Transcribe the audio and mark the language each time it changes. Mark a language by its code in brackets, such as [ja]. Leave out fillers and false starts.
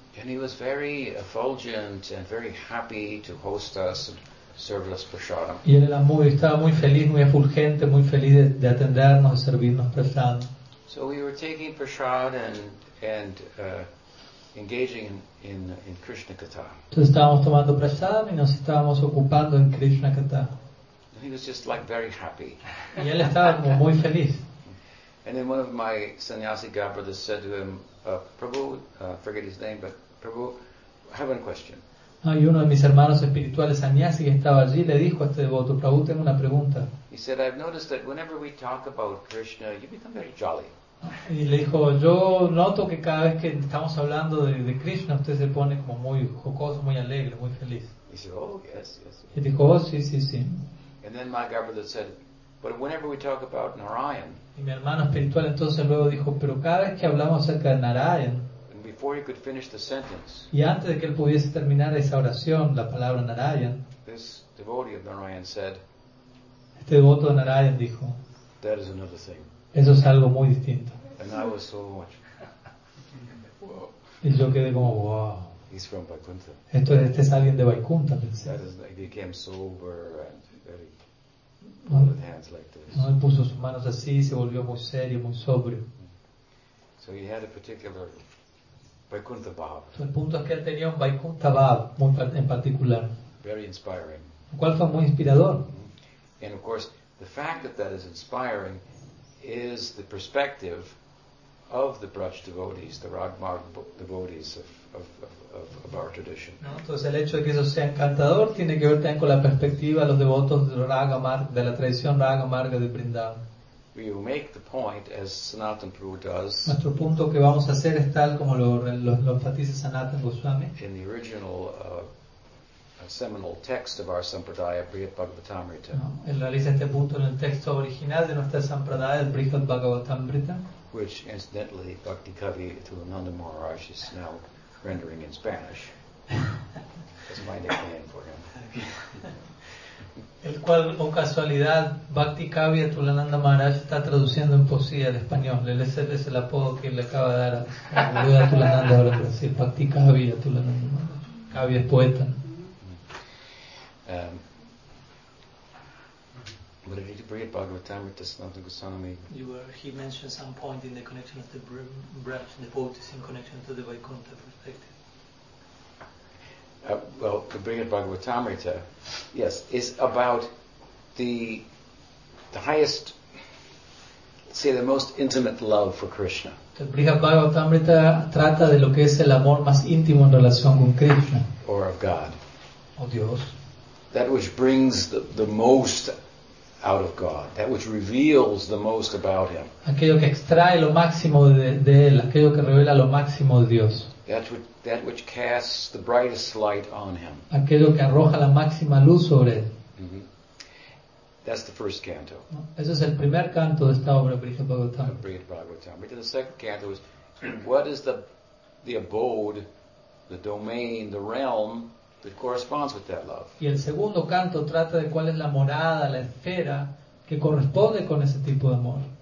[en] And he was very effulgent and very happy to host us and serve us prasadam. [es] Y él estaba muy feliz, muy efulgente, muy feliz de atendernos, de servirnos prasadam. [en] So we were taking prasad and engaging in Krishna katha. [es] Entonces estábamos tomando prasadam y nos estábamos ocupando en Krishna katha. [en] He was just like very happy. [es] Y él estaba como muy feliz. [en] And then one of my sannyasi godbrothers said to him, Prabhu, forget his name, but Prabhu, I have one question. [es] Y uno de mis hermanos espirituales sannyasi que estaba allí le dijo a este devoto, Prabhu, tengo una pregunta. [en] He said, I've noticed that whenever we talk about Krishna, you become very jolly. [es] Y le dijo, yo noto que cada vez que estamos hablando de Krishna, usted se pone como muy jocoso, muy alegre, muy feliz. [en] He said, oh, yes. [es] Y dijo, oh, sí. [en] And then my godbrother said, but whenever we talk about Narayan. [es] Y mi hermano espiritual entonces luego dijo, pero cada vez que hablamos acerca de Narayan. [en] And before he could finish the sentence. [es] Y antes de que él pudiese terminar esa oración, la palabra Narayan. [en] This devotee of Narayan said. [es] Este devoto de Narayan dijo, [en] that is another thing. [es] Eso es algo muy distinto. [en] And I was so much. [es] Y yo quedé como, wow. [en] He's from Vaikuntha. [es] Este es alguien de Vaikuntha, pensé. [en] That is, he became sober and very. With hands like this. [es] No, él puso sus manos así y se volvió muy serio, muy sobrio. [en] So he had a particular Vaikuntha bhav. [es] El punto es que él tenía un Vaikuntha bhav muy en particular. [en] Very inspiring. [es] El cual fue muy inspirador. [en] And of course, the fact that is inspiring is the perspective of the Braj devotees, the Ragmarg devotees of our tradition. [es] No, entonces el hecho de que eso sea encantador tiene que ver también con la perspectiva de los devotos de Ragmarg, de la tradición Ragmarga de Vrindavan. [en] We will make the point as Sanatan Prabhu does. [es] Nuestro punto que vamos a hacer es tal como lo enfatiza Sanatan Goswami. [en] In the original seminal text of our sampradaya, Brihat Bhagavatamrita. [es] Él realiza este punto en el texto original de nuestra sampradaya, el Brihat Bhagavatamrita, [en] which incidentally Bhakti Kavi Tulananda Maharaj is now rendering in Spanish. That's my nickname for him. [es] El cual, o casualidad, Bhakti Kavi Tulananda Maharaj está traduciendo en poesía al español. Ese es el apodo que le acaba de dar a Tulananda ahora, para decir Bhakti Kavi Tulananda Maharaj. Kavi es poeta. [en] But if you bring it Bhagavatamrita-sindhu Goswami, he mentioned some point in the connection of the breath, the devotees in connection to the Vaikuntha perspective. Well, the Brihat Bhagavatamrita, yes, is about the highest, say, the most intimate love for Krishna. [es] The Brihat Bhagavatamrita trata de lo que es el amor más íntimo en relación con Krishna. [en] Or of God. [es] O Dios. [en] That which brings the most out of God, that which reveals the most about Him. [es] Aquello que extrae lo máximo de él, aquello que revela lo máximo de Dios. [en] That which casts the brightest light on Him. [es] Aquello que arroja la máxima luz sobre él. [en] Mm-hmm. That's the first canto. [es] Ese es el primer canto de esta obra, Brihat Bhagavatamrita. Brihat Bhagavatamrita. [en] The second canto is, what is the abode, the domain, the realm that corresponds with that love? [es] Y el segundo canto trata de cuál es la morada, la esfera que corresponde con ese tipo de amor.